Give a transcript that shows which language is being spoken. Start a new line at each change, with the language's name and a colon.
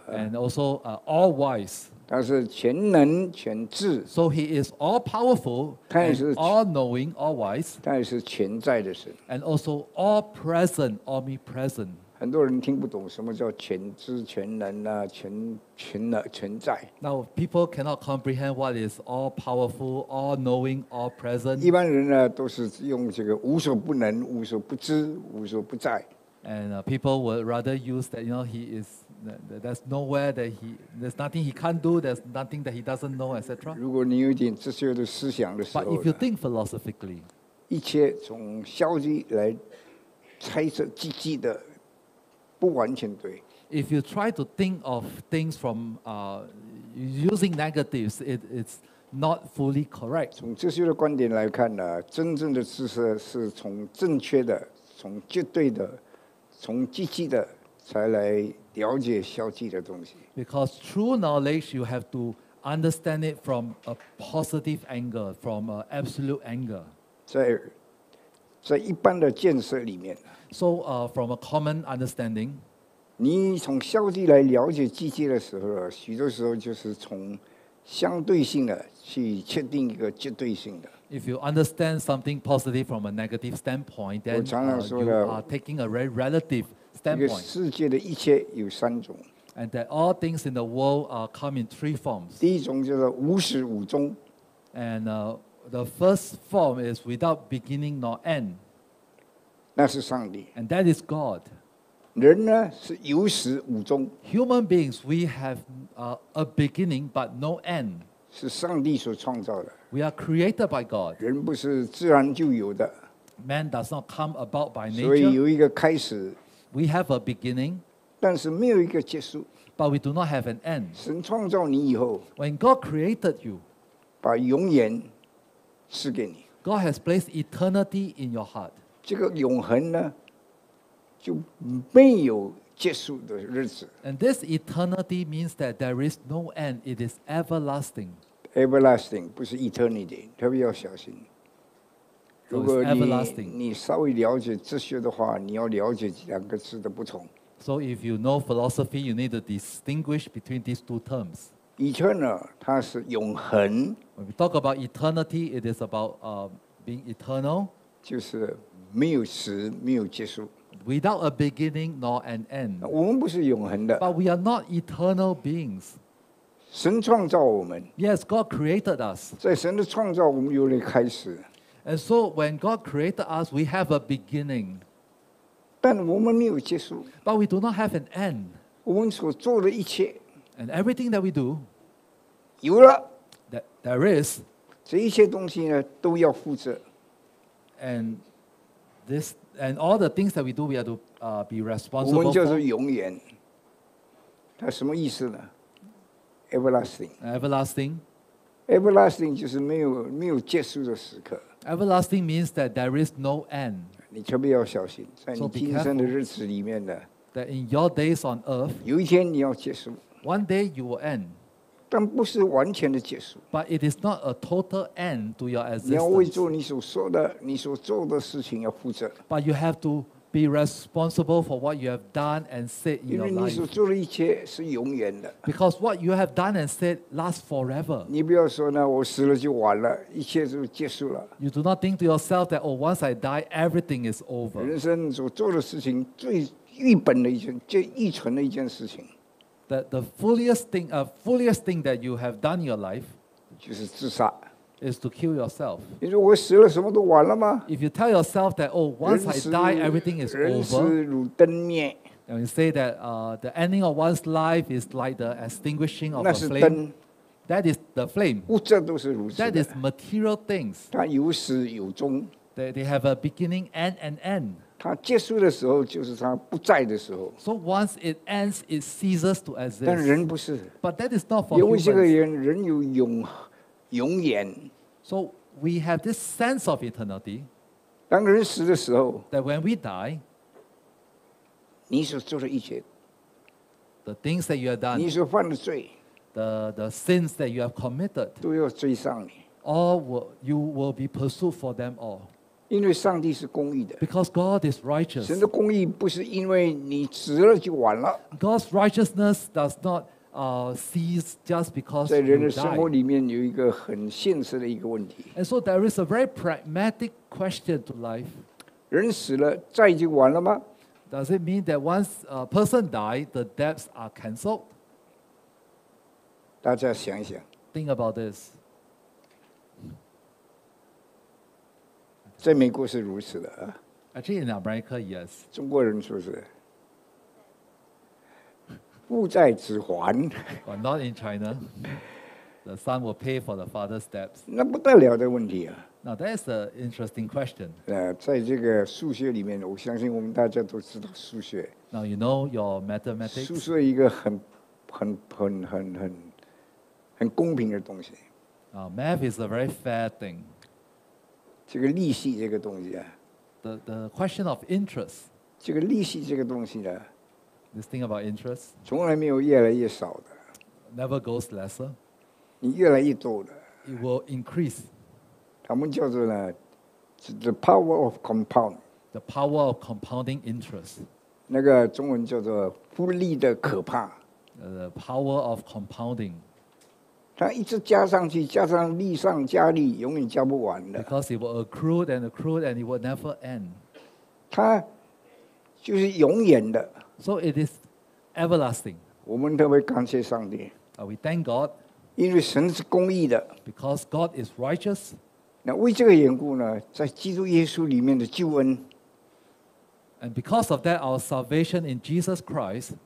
English: And also, all wise.
Chinese: 他是全能全智
English: ，so he is all powerful，
Chinese: 他也是
English: all knowing all wise，
Chinese: 他也是全在的神
English: ，and also all present omnipresent。
Chinese: 很多人听不懂什么叫全知全能啊，全在。
English: Now people cannot comprehend what is all powerful, all knowing, all present。
Chinese: 一般人呢都是用这个无所不能、无所不知、无所不在。
English: And people would rather use that, you know, he is. There's nowhere that he, there's nothing he can't do. There's nothing that he doesn't know, etc.
Chinese: 如果你有点哲学的思想的时候
English: ，But if you think philosophically,
Chinese: 一切从消极来猜测积极的不完全对。
English: If you try to think of things from using negatives, it's not fully correct.
Chinese: 从哲学的观点来看呢，真正的知识是从正确的、从绝对的、从积极的才来。了解消极的东西
English: Because true knowledge, you have to understand it from a positive angle, from an absolute angle.
Chinese: 在一般的见识里面
English: So, from a common understanding,
Chinese: 你从消极来了解积极的时候，许多时候就是从相对性的去确定一个绝对性的。
English: If you understand something positive from a negative standpoint, then
Chinese: 我常常说的
English: you are taking a very relative.
Chinese: 一个世界的一切有三种
English: ，and that all things in the world are come in three forms.
Chinese: 第一种就是无始无终
English: ，and the first form is without beginning nor end.
Chinese: 那是上帝
English: ，and that is God.
Chinese: 人呢是有始无终
English: ，human beings we have a beginning but no end.
Chinese: 是上帝所创造的
English: ，we are created by God.
Chinese: 人不是自然就有的
English: ，man does not come about by nature.
Chinese: 所以有一个开始。
English: We have a beginning,
Chinese: 但是没有一个结束
English: but we do not have an end.
Chinese: 神创造你以后
English: when God created you,
Chinese: 把永远赐给你
English: God has placed eternity in your heart.
Chinese: 这个永恒呢，就没有结束的日子
English: And this eternity means that there is no end. It is everlasting. Everlasting,
Chinese: 不是
English: eternity.
Chinese: 特别要小心如果 你稍微了解哲学的话，你要了解两个字的不同。
English: So if you know philosophy, you need to distinguish between these two terms.
Chinese: Eternal, 它是永恒。
English: When we talk about eternity, it is about being eternal.
Chinese: 就是没有始，没有结束。
English: Without a beginning nor an end.
Chinese: 我们不是永恒的。
English: But we are not eternal beings.
Chinese: 神创造我们。
English: Yes, God created us.
Chinese: 在神的创造，我们有了开始。
English: And so when God created us, we have a beginning.
Chinese: 但我们没有结束。
English: But we do not have an end.
Chinese: 我们所做的一切。
English: And everything that we do.
Chinese: 有了。
English: That there is.
Chinese: 这一切东西呢都要负责。
English: And all the things that we do, we have to be responsible for.
Chinese: 我们就是永远。它什么意思呢 ?Everlasting.
English: Everlasting.
Chinese: Everlasting 就是没有结束的时刻。
English: Everlasting means that there is no end.
Chinese: 你特别要小心，在你今生的日子里面呢。
English: That in your days on earth,
Chinese: 有一天你要结束。
English: One day you will end.
Chinese: 但不是完全的结束。
English: But it is not a total end to your existence.
Chinese: 你要为做你所说的、你所做的事情要负责。
English: But you have to be responsible for what you have done and said in your life.
Chinese: 因为你所做的一切是永远的。
English: Because what you have done and said lasts forever.
Chinese: 你不要说呢，我死了就完了，一切就结束了。
English: You do not think to yourself that, oh, once I die, everything is over.
Chinese: 人生所做的事情最愚笨的一件、最愚蠢的一件事情。
English: That the foolishest thing that you have done in your life,
Chinese: 就是自杀
English: is to kill yourself.
Chinese: 你说我死了什么都完了吗？
English: If you tell yourself that, oh, once I die, everything is over.
Chinese: 人死如灯灭。
English: And you say that, the ending of one's life is like the extinguishing of a flame.
Chinese: 那是灯。
English: That is the flame.
Chinese: 物质都是如此的。
English: That is material things.
Chinese: 它有始有终。
English: They have a beginning and an end.
Chinese: 它结束的时候就是它不在的时候。
English: So once it ends, it ceases to exist.
Chinese: 但人不是。
English: But that is not for humans.
Chinese: 因为这个人有永远。
English: So we have this sense of eternity.
Chinese: 当人死的时候。
English: That when we die,
Chinese: 你所做的一切。
English: The things that you have done.
Chinese: 你所犯的罪。
English: The sins that you have committed.
Chinese: 都要追上你。
English: All you will be pursued for them all.
Chinese: 因为上帝是公义的。
English: Because God is righteous.
Chinese: 神的公义不是因为你死了就完了。
English: God's righteousness does not cease just because you die.
Chinese: 在人的生活里面有一个很现实的一个问题。
English: And so there is a very pragmatic question to life.
Chinese: 人死了，债就完了吗？
English: Does it mean that once a person dies, the debts are cancelled?
Chinese: 大家想一想。
English: Think about this.
Chinese: 在美国是如此的、
English: Actually, in America, yes.
Chinese: 中国人是不是？父债子还。
English: Well, not in China. The son will pay for the father's debts.
Chinese: 那不得了的问题啊。
English: Now, that's an interesting question.
Chinese: 在这个数学里面，我相信我们大家都知道数学。
English: Now, you know your mathematics.
Chinese: 数学一个很公平的东西。
English: Now, math is a very fair thing.
Chinese: 这个利息这个东西啊
English: the question of interest
Chinese: 这个利息这个东西啊
English: this thing about interest
Chinese: 从来没有越来越少的
English: never goes lesser
Chinese: 你越来越多的
English: it will increase
Chinese: 他们叫做呢
English: the power of compound the power of compounding interest
Chinese: 那个中文叫做复利的可怕
English: the power of compounding
Chinese: 它一直加上去，加上利上加利，永远加不完的。
English: Because it will accrue and accrue and it will never end.
Chinese: 它就是永远的。
English: So it is everlasting.
Chinese: 我们特别感谢上帝。
English: We thank God.
Chinese: 因为神是公义的。
English: Because God is righteous.
Chinese: 那为这个缘故呢，在基督耶稣里面的救恩。
English: And because of that, our salvation in Jesus Christ